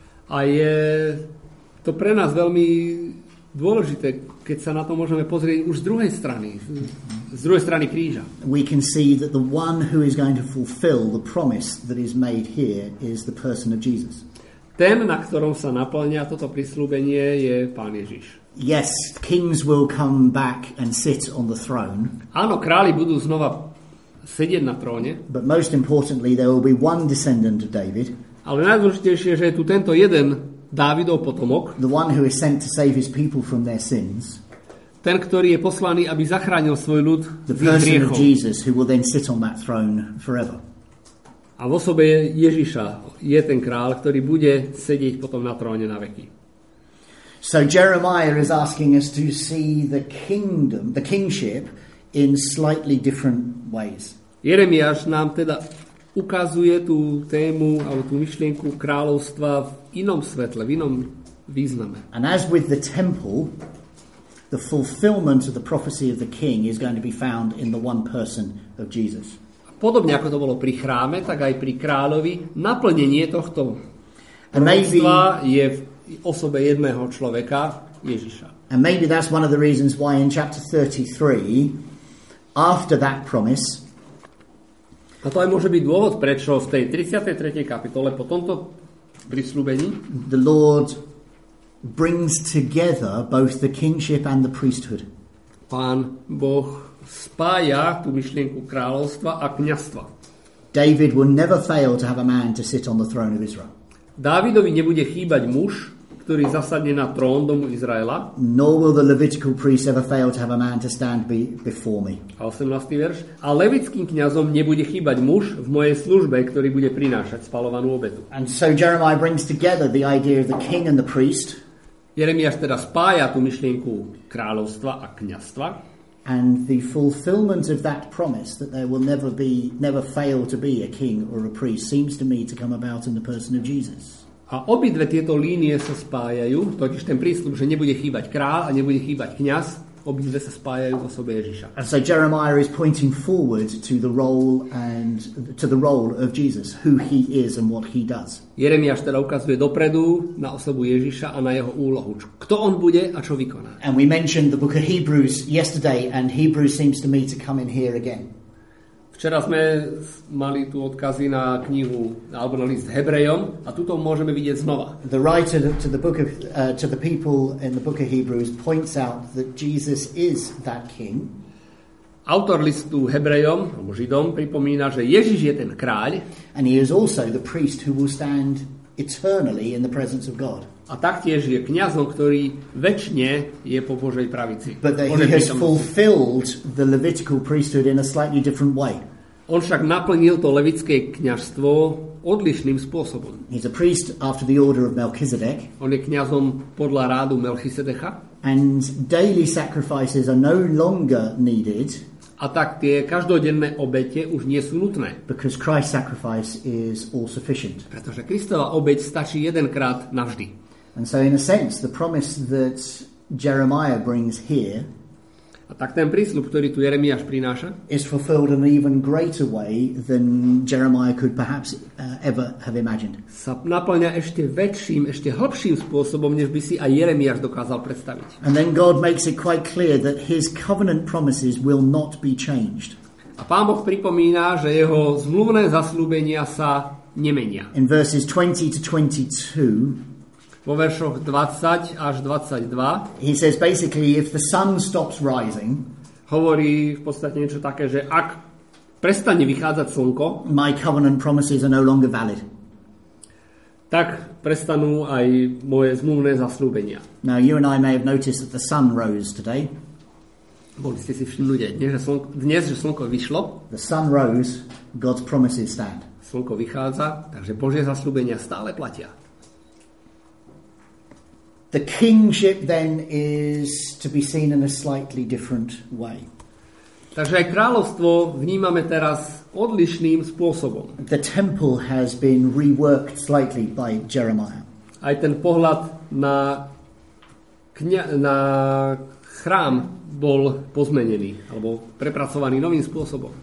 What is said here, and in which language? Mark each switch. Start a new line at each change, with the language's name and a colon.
Slovak: A je to pre nás veľmi dôležité, keď sa na to môžeme pozrieť už z druhej strany. Z druhej strany kríža.
English: We can see that the one who is going to fulfill the promise that is made here is the person of Jesus.
Slovak: Ten, na ktorom sa naplňa toto prislúbenie, je Pán Ježiš.
English: Yes, kings will come back and sit on the throne.
Slovak: Áno, králi budú znova sedieť na tróne.
English: But most importantly, there will be one descendant of David.
Slovak: Ale najdôležitejšie, že je tu tento jeden Dávidov potomok.
English: The one who is sent to save his people from their sins.
Slovak: Ten, ktorý je poslaný, aby zachránil svoj ľud z ich hriechov.
English: The person of Jesus who will then sit on that throne forever.
Slovak: A v osobe Ježiša je ten král, ktorý bude sedieť potom na tróne na veky.
English: So Jeremiah is asking us to see the kingdom, the kingship in slightly different ways.
Slovak: Jeremiáš nám teda ukazuje tú tému alebo tú myšlienku kráľovstva v inom svetle, v inom význame.
English: And as with the temple, the fulfillment of the prophecy of the king is going to be found in the one person of Jesus.
Slovak: Podobne ako to bolo pri chráme, tak aj pri kráľovi, naplnenie tohto kráľovstva je v osobe jedného človeka, Ježiša.
English: And maybe that's one of the reasons why in chapter 33, after that promise,
Slovak: a to aj môže byť dôvod, prečo v tej 33. kapitole po tomto prisľúbení
English: the Lord brings together both the kingship and the priesthood.
Slovak: Pán Boh spája tú myšlienku kráľovstva a kňazstva.
English: David will never fail to have a man to sit on the throne of Israel.
Slovak: Dávidovi nebude chýbať muž, ktorý zasadne na trón domu Izraela.
English: Nor will the Levitical priest ever fail to have a man to stand before me.
Slovak: A 18. verš. A levitským kňazom nebude chýbať muž v mojej službe, ktorý bude prinášať spaľovanú obetu.
English: And so Jeremiah brings together the idea of the king and the priest.
Slovak: Jeremiáš teda spája tú myšlienku kráľovstva a kňazstva.
English: And the fulfillment of that promise that there will never fail to be a king or a priest seems to me to come about in the person of Jesus.
Slovak: A obidve tieto línie sa spájajú, totiž ten prísľub, že nebude chýbať kráľ a nebude chýbať kňaz, obidve sa spájajú v osobe Ježiša.
English: And so Jeremiah is pointing forward to the role and to the role of Jesus, who he is and what he does.
Slovak: Jeremiáš teda ukazuje dopredu na osobu Ježiša a na jeho úlohu. Kto on bude a čo vykoná?
English: And we mentioned the book of Hebrews yesterday and Hebrews seems to me to come in here again.
Slovak: Včera sme mali tu odkazy na knihu alebo na list Hebrejom a tuto môžeme vidieť znova.
English: The writer to the book of to the people in the book of Hebrews points out that Jesus is that king.
Slovak: Autor listu Hebrejom, alebo Židom, pripomína, že Ježiš je ten kráľ.
English: And he is also the priest who will stand eternally in the presence of God.
Slovak: A taktiež je kňazom, ktorý večne je po Božej pravici.
English: But he has fulfilled the Levitical priesthood in a slightly different way.
Slovak: On však naplnil to levitské kňazstvo odlišným spôsobom.
English: He's a priest after the order of Melchizedek.
Slovak: On je kňazom podľa rádu Melchizedecha.
English: And daily sacrifices are no longer needed.
Slovak: A tak tie každodenné obete už nie sú nutné.
English: Because Christ's sacrifice is all sufficient.
Slovak: Pretože Kristova obeť stačí jedenkrát navždy.
English: And so in a sense the promise that Jeremiah brings here.
Slovak: A tak ten prísľub, ktorý tu Jeremiáš prináša,
English: is fulfilled in an even greater way than Jeremiah could perhaps ever have imagined.
Slovak: Sa naplňa ešte väčším, ešte hlbším spôsobom, než by si aj Jeremiáš dokázal predstaviť.
English: And then God makes it quite clear that his covenant promises will not be changed.
Slovak: A Pán Boh pripomína, že jeho zmluvné zasľúbenia sa nemenia.
English: In verses 20 to 22,
Slovak: vo veršoch 20 až 22.
English: He says basically if the sun stops rising,
Slovak: hovorí v podstate niečo také, že ak prestane vychádzať slnko,
English: my covenant promises are no longer valid.
Slovak: Tak prestanú aj moje zmluvné zasľúbenia.
English: Now you and I may have noticed that the sun rose today.
Slovak: Boli ste si všimli, dnes, že slnko vyšlo.
English: The sun rose, God's promises stand.
Slovak: Slnko vychádza, takže Božie zasľúbenia stále platia.
English: The kingship then is to be seen in a slightly different way.
Slovak: Takže aj kráľovstvo vnímame teraz odlišným spôsobom.
English: The temple has been reworked slightly by Jeremiah.
Slovak: Aj ten pohľad na chrám bol pozmenený alebo prepracovaný novým spôsobom.